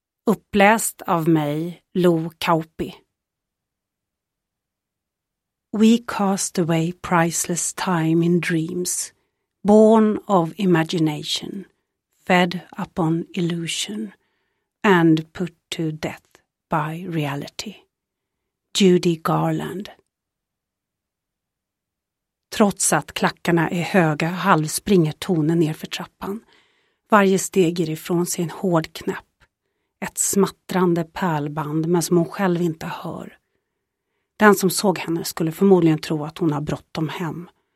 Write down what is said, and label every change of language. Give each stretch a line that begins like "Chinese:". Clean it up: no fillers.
Swedish: Uppläst av mig, Lo Kauppi.
English: We cast away priceless time in dreams, born of imagination, fed upon illusion, and put to death by reality. Judy Garland.
Swedish: Trots att klackarna är höga halvspringer tonen nerför trappan. Varje steg ger ifrån sig en hård knäpp. Ett smattrande pärlband men som hon själv inte hör. Den som såg henne skulle förmodligen tro att hon har bråttom hem.